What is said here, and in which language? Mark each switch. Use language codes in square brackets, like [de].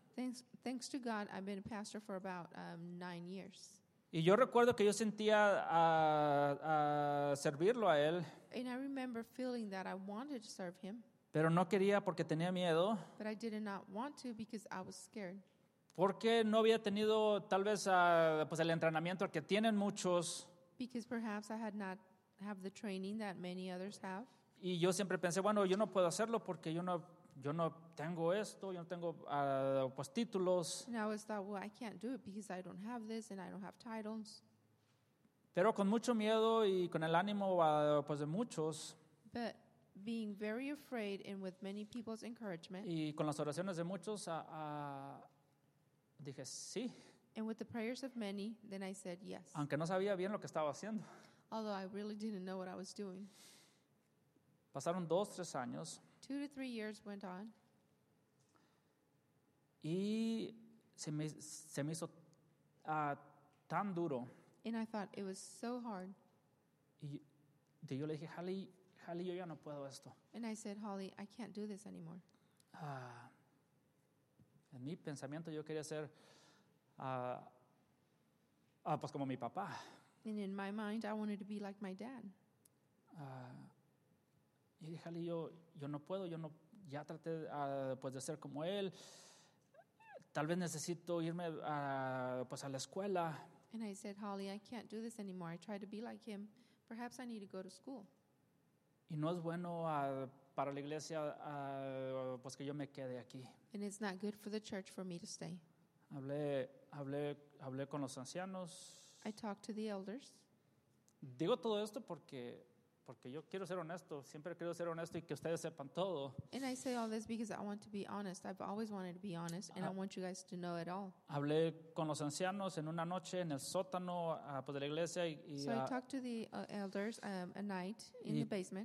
[en] Thanks to God, I've been a pastor for about 9 years. [es] Y yo recuerdo que yo sentía a servirlo a él. [en] And I remember feeling that I wanted to serve him. [es] Pero no quería porque tenía miedo. [en] But I did not want to, because I was scared. [es] Porque no había tenido tal vez pues el entrenamiento que tienen muchos. [en] Because perhaps I had not have the training that many others have. [es] Y yo siempre pensé, bueno, yo no puedo hacerlo porque yo no tengo esto, yo no tengo pues títulos. [en] And I always thought, well, I can't do it because I don't have this and I don't have titles. [es] Pero con mucho miedo y con el ánimo pues de muchos. [en] But being very afraid and with many people's encouragement. [es] Y con las oraciones de muchos, dije sí. [en] And with the prayers of many, then I said yes. [es] Aunque no sabía bien lo que estaba haciendo. [en] although I really didn't know what I was doing. [es] Pasaron dos, tres años. [en] 2 to 3 years went on. [es] Y se me hizo tan duro. [en] And I thought it was so hard. [es] Y yo le dije, Holly, yo ya no puedo esto. [en] And I said, Holly, I can't do this anymore. [es] En mi pensamiento yo quería ser pues como mi papá. [en] And in my mind, I wanted to be like my dad. [es] Y dije, Holly, yo no puedo, yo no, ya traté pues de ser como él. Tal vez necesito irme pues a la escuela. [en] And I said, Holly, I can't do this anymore. I tried to be like him. Perhaps I need to go to school. [es] Y no es bueno para la iglesia pues que yo me quede aquí. [en] And it's not good for the church for me to stay. [es] Hablé con los ancianos. [en] I talked to the elders. [es] Digo todo esto porque yo quiero ser honesto. Siempre quiero ser honesto y que ustedes sepan todo. [en] And I say all this because I want to be honest. I've always wanted to be honest, and I want you guys to know it all. [es] Hablé con los ancianos en una noche en el sótano pues de la iglesia. [en] So I talked to the elders a night in the basement.